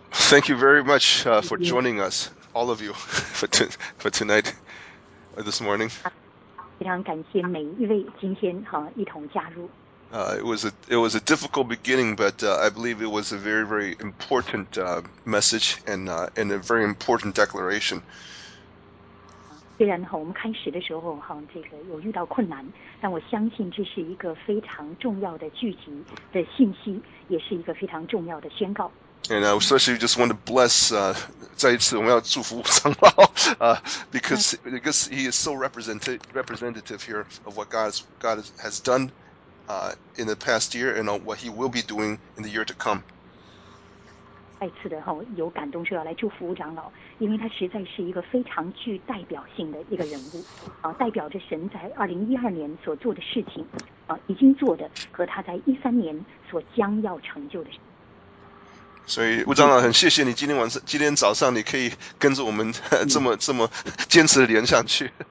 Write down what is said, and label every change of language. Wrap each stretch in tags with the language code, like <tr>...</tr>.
<en>Thank you very much for joining us, all of you, for tonight, or this morning.</en> <zh>非常感谢每一位今天一同加入。</zh> <en>It was a difficult beginning, but I believe it was a very, very important message and a very important declaration.</en> <zh>虽然我们开始的时候有遇到困难，但我相信这是一个非常重要的聚集的信息，也是一个非常重要的宣告。</zh> <en>And I especially just want to bless,</en> <zh>再一次我们要祝福吴长老</zh> <en>because he is so representative here of what God has done in the past year and what he will be doing in the year to come.</en> <zh>再次的有感动说要来祝福吴长老，因为他实在是一个非常具代表性的一个人物，代表着神在2012年所做的事情，已经做的和他在13年所将要成就的事。所以吴长老很谢谢你今天早上你可以跟着我们这么坚持的连下去。</zh>